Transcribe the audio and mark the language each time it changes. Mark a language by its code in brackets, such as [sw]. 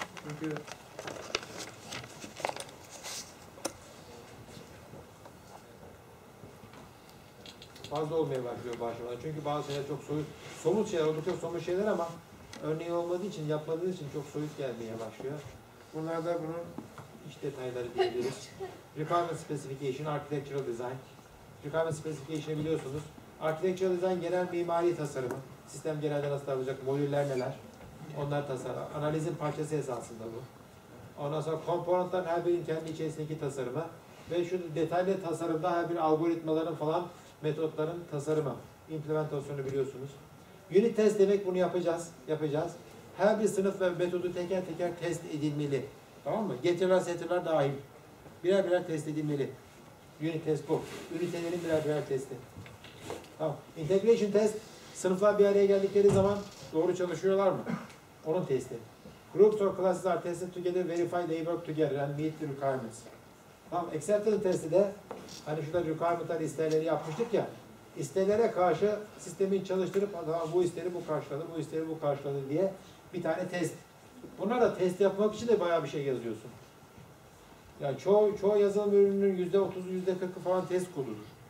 [tr] Çünkü fazla olmaya başlıyor başlamada. Çünkü bazı şeyler çok somut şeyler, oldukça somut şeyler ama örneği olmadığı için, yapmadığı için çok soyut gelmeye başlıyor. Bunlar da bunun iç detayları diyebiliriz. [en] Requirement Specification, Architectural Design. [tr] Requirement Specification biliyorsunuz. Architectural Design genel mimari tasarımı. Sistem genelde nasıl tasarlanacak, modüller neler? Onlar tasarlar. Analizin parçası esasında bu. Ondan sonra komponentlerin her birinin kendi içerisindeki tasarımı. Ve şu detaylı tasarımda her bir algoritmaların falan metotların tasarımı. İmplementasyonu biliyorsunuz. Unit test demek bunu yapacağız. Her bir sınıf ve metodu teker teker test edilmeli. Tamam mı? Getirler, setirler dahil. Birer birer test edilmeli. Unit test bu. Ünitelerin birer birer testi. Tamam. Integration test. Sınıflar bir araya geldikleri zaman doğru çalışıyorlar mı? Onun testi. [en] Groups or classes are tested together, verify they work together and meet the requirements. [tr] Tamam, acceptance testi de hani şurada requirement'lar isterleri yapmıştık ya, isterlere karşı sistemi çalıştırıp tamam, bu isteri bu karşıladı, bu isteri bu karşıladı diye bir tane test. Bunlar da test yapmak için de bayağı bir şey yazıyorsun. Yani çoğu yazılım ürününün %30'u %40'ı falan test kodudur.